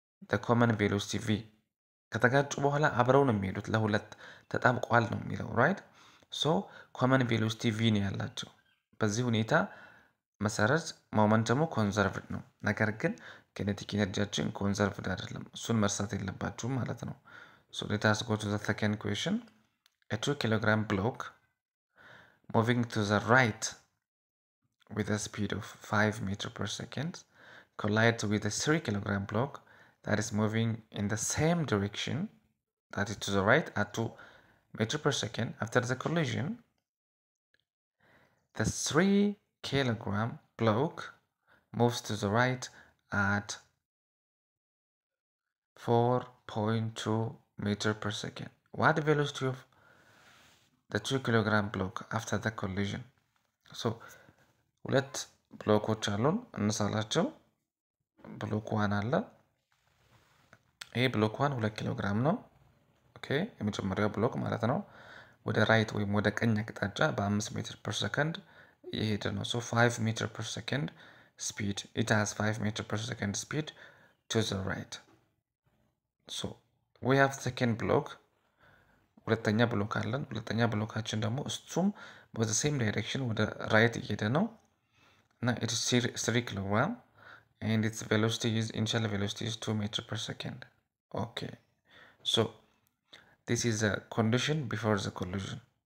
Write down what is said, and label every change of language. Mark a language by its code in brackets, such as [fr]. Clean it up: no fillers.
[am] ደ ኮመን ቬሎሲቲ ቪ። ከተጋጩ በኋላ አብረው ነው የሚሄዱት፣ ለሁለት ተጣብቋል ነው የሚለው ራይት። ሶ ኮመን ቬሎሲቲ ቪ ነው ያላቸው። በዚህ ሁኔታ መሰረት ሞመንተሙ ኮንዘርቭድ ነው፣ ነገር ግን ኬኔቲክ ኢነርጂያችን ኮንዘርቭድ አይደለም። እሱን መርሳት የለባችሁም ማለት ነው። [en] ሶ ሌታስ ጎ ቱ ዘ ሰከንድ ኩዌሽን። ኤ ቱ ኪሎግራም ብሎክ ሙቪንግ ቱ ዘ ራይት with a speed of 5 meters per second collides with a 3 kilogram block that is moving in the same direction that is to the right at 2 meters per second. After the collision, the 3 kilogram block moves to the right at 4.2 meters per second. What velocity of the 2 kilogram block after the collision? [am] So ሁለት ብሎኮች አሉን እንሳላቸው። ብሎክ ዋን አለ። ይሄ ብሎክ ዋን 2 ኪሎ ግራም ነው። ኦኬ፣ የመጀመሪያው ብሎክ ማለት ነው። ወደ ራይት ወይም ወደ ቀኝ አቅጣጫ በ5 ሜትር ፐር ሰከንድ እየሄደ ነው። ሶ 5 ሜትር ፐር ሰከንድ ስፒድ፣ [en] ኢት ሃዝ 5 ሜትር ፐር ሰከንድ ስፒድ ቱ ዘ ራይት። ሶ ዊ ሃቭ ሰከንድ ብሎክ፣ [am] ሁለተኛ ብሎክ አለን። ሁለተኛ ብሎካችን ደግሞ እሱም [en] በዘ ሴም ዳይሬክሽን [am] ወደ ራይት እየሄደ ነው። ና ኢት ስሪ ኪሎግራም [en] And its velocity is, initial velocity is 2 meter per second. Okay, so this is a condition before the collision.